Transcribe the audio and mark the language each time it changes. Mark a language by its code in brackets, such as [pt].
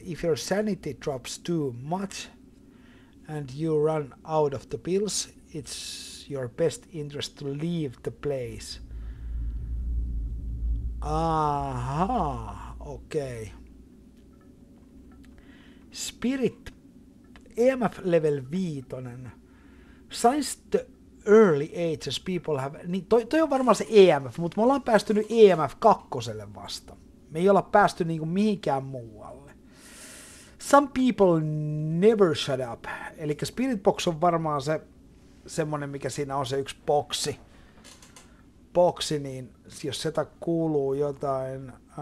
[en] If your sanity drops too much and you run out of the pills, it's your best interest to leave the place. Aha, okay. Spirit EMF level 5. Since the early ages people have... [fi] Niin toi on varmaan se EMF, mutta me ollaan päästy nyt EMF 2 vasta. Me ei olla päästy niinku mihinkään muualle. [en] Some people never shut up. [fi] Elikkä Spirit Box on varmaan se semmonen, mikä siinä on se yksi boksi. Boksi, niin jos sitä kuuluu jotain...